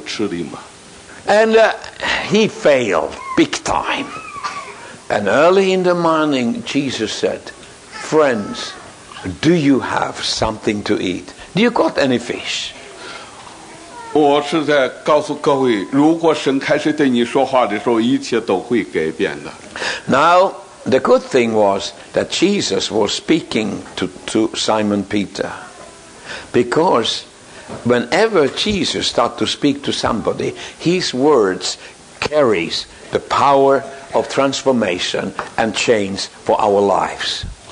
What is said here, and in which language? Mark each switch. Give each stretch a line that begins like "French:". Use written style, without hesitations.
English: He failed big time. And early in the morning, Jesus said, friends, do you have something to eat? Do you got any fish?
Chinese: 我是在告诉各位, 如果神开始对你说话的时候, 一切都会改变的。
English: Now, the good thing was that Jesus was speaking to Simon Peter. Because whenever Jesus starts to speak to somebody, his words carries the power of transformation and change for our lives.